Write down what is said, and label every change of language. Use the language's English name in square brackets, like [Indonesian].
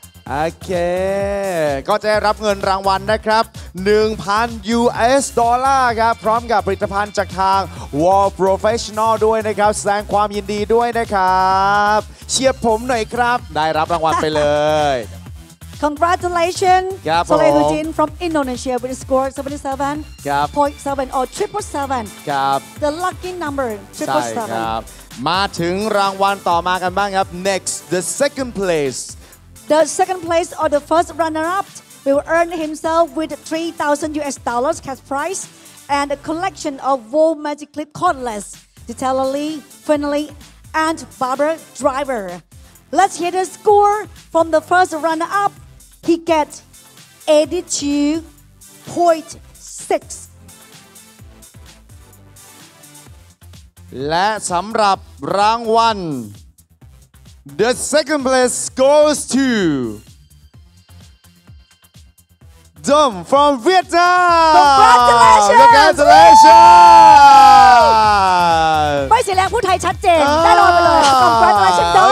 [Thai] โอเคก็จะรับเงินรางวัลนะครับ 1,000 US ดอลลาร์ครับพร้อมกับผลิตภัณฑ์จากทาง Wall Professional ด้วยนะครับแสดงความยินดีด้วยนะครับเชียร์ผมหน่อยครับได้รับรางวัลไปเลย [English] Congratulations [Thai] ครับ [English] Solehudin from Indonesia with a score 77 [Thai] ครับ [English] 0.7 or 777 [Thai] ครับ [English] The lucky number 777 [Thai] ครับมาถึงรางวัลต่อมากันบ้างครับ [English] Next the second place The second place or the first runner-up will earn himself with $3,000 cash prize and a collection of Vogue Magic Clip Cordless, Detailer Lee, Finley, and Barber Driver. Let's hear the score from the first runner-up. He gets 82.6. [Thai] และสำหรับรางวัล [English] The second place goes to Dom from Vietnam. Congratulations! [Thai] ไม่เสียแรงพูดไทยชัดเจนได้ลอยไปเลย [English] Congratulations [Thai] Dom.